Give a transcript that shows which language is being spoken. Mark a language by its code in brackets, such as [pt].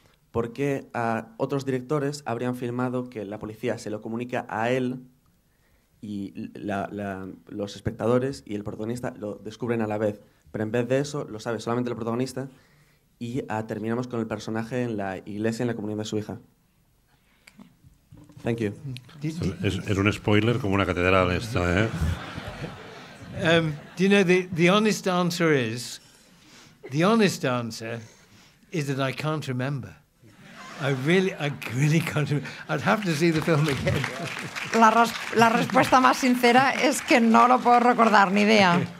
[es] Porque otros directores habrían filmado que la policía se lo comunica a él y los espectadores y el protagonista lo descubren a la vez. Pero en vez de eso, lo sabe solamente el protagonista y terminamos con el personaje en la iglesia, en la comunión de su hija. [en] Thank you. [es] Es un spoiler como una catedral esta, ¿eh? [en] Do you know, the honest answer is, the honest answer is that I can't remember. I really can't remember. I'd have to see the film again. [es] La respuesta más sincera es que no lo puedo recordar, ni idea.